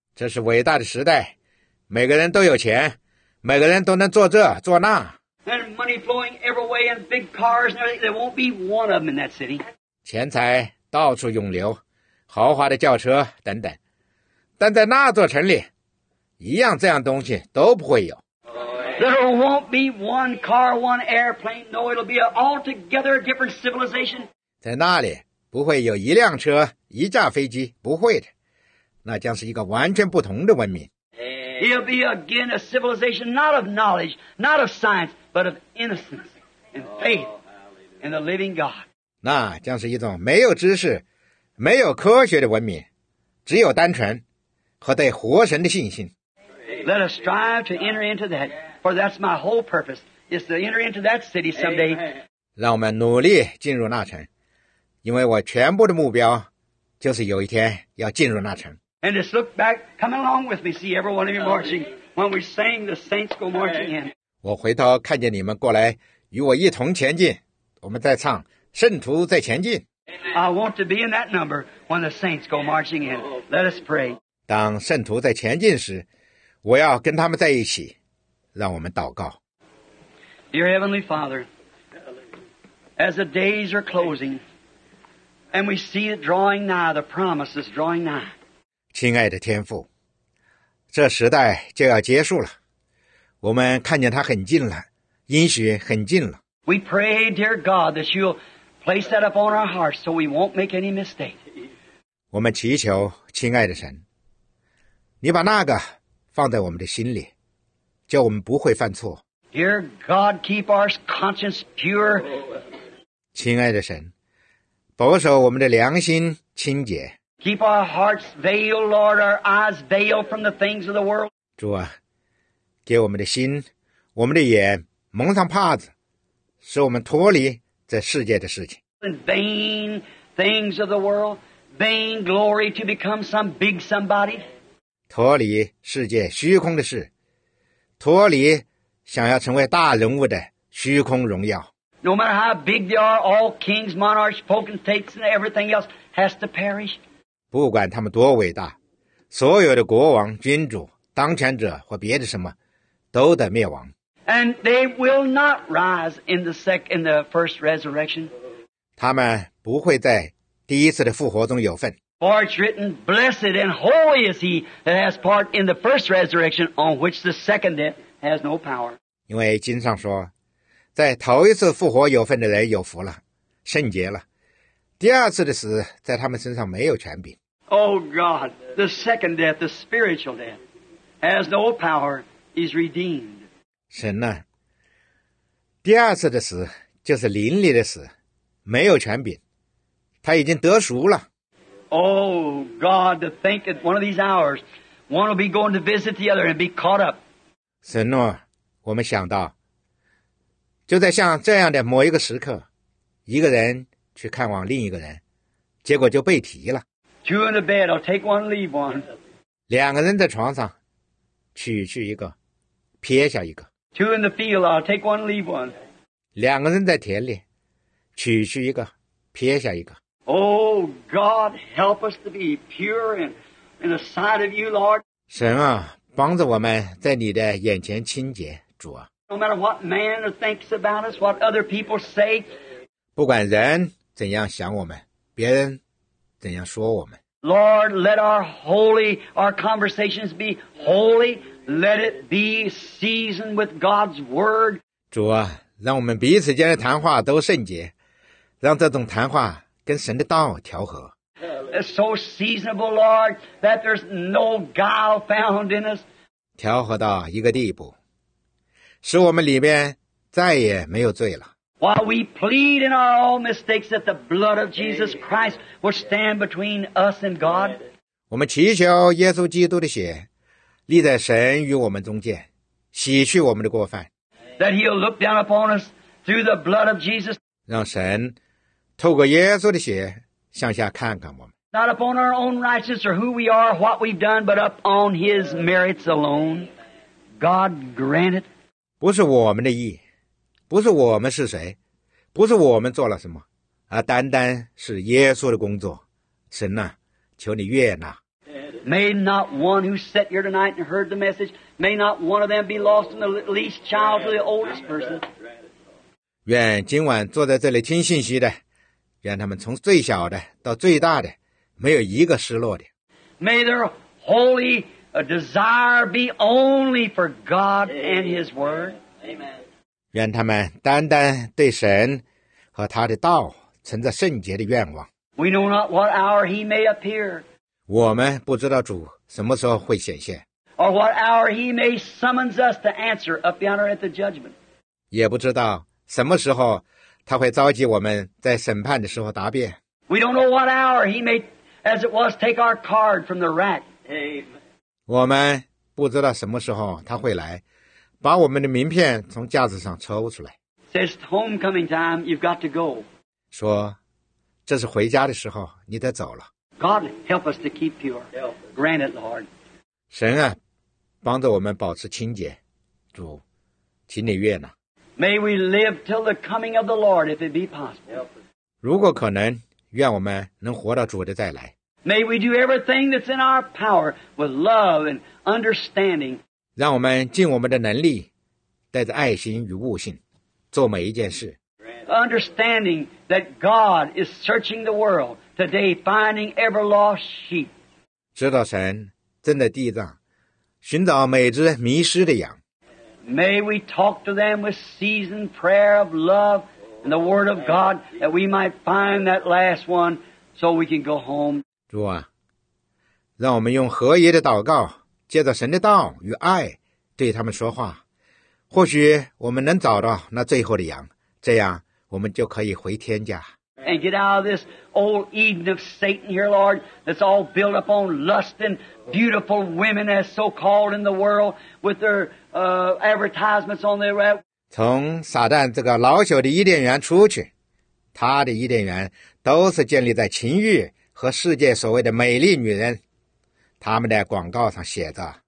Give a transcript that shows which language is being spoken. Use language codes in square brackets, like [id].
[zh] 这是伟大的时代，每个人都有钱，每个人都能做这做那。 [en] And money flowing every way and big cars and everything. There won't be one of them in that city. [zh] 钱财到处涌流，豪华的轿车等等。但在那座城里，一样这样东西都不会有。 [en] There won't be one car, one airplane. No, it'll be an altogether different civilization. [zh] 在那里不会有一辆车、一架飞机，不会的。那将是一个完全不同的文明。 [en] It'll be again a civilization not of knowledge, not of science, but of innocence and faith in the living God. [zh] 那将是一种没有知识、没有科学的文明，只有单纯和对活神的信心。 [en] Let us strive to enter into that, for that's my whole purpose, is to enter into that city someday. [zh] 让我们努力进入那城，因为我全部的目标就是有一天要进入那城。 [en] And just look back, come along with me, see every one of you marching. When we sing, the saints go marching in. [zh] 我回头看见你们过来与我一同前进，我们在唱圣徒在前进。 [en] I want to be in that number when the saints go marching in. Let us pray. [zh] 当圣徒在前进时，我要跟他们在一起，让我们祷告。 [en] Dear Heavenly Father, as the days are closing, and we see it drawing nigh, the promise is drawing nigh. [zh] 亲爱的天父，这时代就要结束了，我们看见它很近了，应许很近了。 [en] We pray, dear God, that you'll place that upon our hearts so we won't make any mistake. [zh] 我们祈求，亲爱的神，你把那个放在我们的心里，叫我们不会犯错。 [en] Dear God, keep our conscience pure. [zh] 亲爱的神，保守我们的良心清洁。 [en] Keep our hearts veiled, Lord, our eyes veiled from the things of the world. [zh] 主啊，给我们的心，我们的眼蒙上帕子，使我们脱离这世界的事情。 [en] Vain things of the world, vain glory to become some big somebody. [zh] 脱离世界虚空的事，脱离想要成为大人物的虚空荣耀。 [en] No matter how big they are, all kings, monarchs, potentates, and everything else has to perish. [zh] 不管他们多伟大，所有的国王、君主、当权者或别的什么，都得灭亡。 [en] And they will not rise in the second, in the first resurrection. [zh] 他们不会在第一次的复活中有份。 [en] For it's written, blessed and holy is he that has part in the first resurrection on which the second death has no power. [zh] 因为经上说，在头一次复活有份的人有福了，圣洁了。第二次的死在他们身上没有权柄。 [en] Oh God, the second death, the spiritual death, has no power, is redeemed. [zh] 神呢，第二次的死就是灵里的死，没有权柄，他已经得赎了。 [en] Oh, God, to think that one of these hours, one will be going to visit the other and be caught up. [zh] 神诺，我们想到，就在像这样的某一个时刻，一个人去看望另一个人，结果就被提了。 [en] Two in the bed, I'll take one, leave one. [zh] 两个人在床上，取去一个，撇下一个。 [en] Two in the field, I'll take one, leave one. [zh] 两个人在田里，取去一个，撇下一个。 [en] Oh, God, help us to be pure and in the sight of you, Lord. [zh] 神啊，帮助我们在你的眼前清洁，主啊。 [en] No matter what man thinks about us, what other people say. [zh] 不管人怎样想我们，别人怎样说我们。 [en] Lord, let our conversations be holy. Let it be seasoned with God's word. [zh] 主啊，让我们彼此间的谈话都圣洁，让这种谈话跟神的道调和。 [en] It's so seasonable, Lord, that there's no guile found in us. [zh] 调和到一个地步，使我们里面再也没有罪了。 [en] While we plead in our own mistakes that the blood of Jesus Christ will stand between us and God. [zh] 我们祈求耶稣基督的血立在神与我们中间，洗去我们的过犯。 [en] That he'll look down upon us through the blood of Jesus. [zh] 让神透过耶稣的血向下看看我们。 [en] Not upon our own righteousness or who we are, what we've done, but up on his merits alone. God grant it. [zh] 不是我们的义，不是我们是谁，不是我们做了什么，而单单是耶稣的工作。神啊，求你悦纳。 [en] May not one who sat here tonight and heard the message, may not one of them be lost in the least child to the oldest person. [zh] 愿今晚坐在这里听信息的，愿他们从最小的到最大的，没有一个失落的。 [en] May their holy a desire be only for God and His Word. Amen. [zh] 愿他们单单对神和他的道存着圣洁的愿望。 [en] We know not what hour He may appear. [zh] 我们不知道主什么时候会显现。 [en] Or what hour He may summons us to answer up yonder at the judgment. [zh] 也不知道什么时候他会召集我们在审判的时候答辩。 [en] We don't know what hour He may, as it was, take our card from the rack. Amen. [zh] 我们不知道什么时候他会来，把我们的名片从架子上抽出来。 [en] Says homecoming time, you've got to go. [zh] 说，这是回家的时候，你得走了。 [en] God help us to keep pure. Grant it, Lord. [zh] 神啊，帮助我们保持清洁，主，请你悦纳。 [en] May we live till the coming of the Lord, if it be possible. [zh] 如果可能，愿我们能活到主的再来。 [en] May we do everything that's in our power with love and understanding. [zh] 让我们尽我们的能力，带着爱心与悟性，做每一件事。 [en] Understanding that God is searching the world today, finding ever lost sheep. [zh] 知道神正在地上寻找每只迷失的羊。 [en] May we talk to them with seasoned prayer of love and the word of God that we might find that last one so we can go home. [zh] 主啊，让我们用合宜的祷告，借着神的道与爱对他们说话，或许我们能找到那最后的羊，这样我们就可以回天家。 [en] And get out of this old Eden of Satan here, Lord, that's all built up on lust and beautiful women as so-called in the world with their advertisements on their web. [zh] 从撒旦这个老朽的伊甸园出去，他的伊甸园都是建立在情欲和世界所谓的美丽女人，他们的广告上写着。